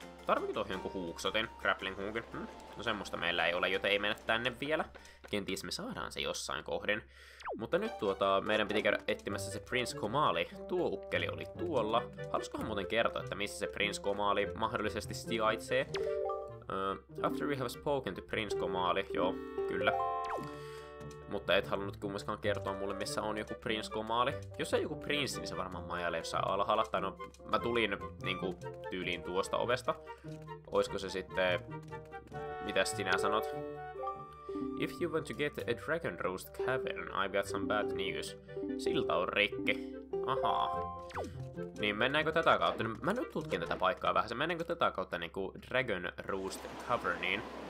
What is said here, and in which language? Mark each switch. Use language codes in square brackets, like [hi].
[fi] Tarvinko tuohon jonkun huuksotin? Grappling hookin? No semmoista meillä ei ole, joten ei mennä tänne vielä. Kenties me saadaan se jossain kohden. Mutta nyt meidän piti käydä etsimässä se Prince Gomali. Tuo ukkeli oli tuolla. Haluaiskohan muuten kertoa, että missä se Prince Gomali mahdollisesti sijaitsee? [en] After we have spoken to Prince Gomali. [fi] Joo, kyllä. Mutta et halunnut kummaskaan kertoa mulle, missä on joku Prince Gomali. Jos on joku prinssi, niin se varmaan majailee jossain alhaalla. Tai no, mä tulin niinku tyyliin tuosta ovesta. Oisko se sitten... Mitäs sinä sanot? [en] If you want to get a Dragon Roost Cavern, I've got some bad news. [fi] Silta on rikki. Ahaa. Niin mennäänkö tätä kautta? No, mä nyt tutkin tätä paikkaa vähän. Mennäänkö tätä kautta niinku Dragon Roost Caverniin?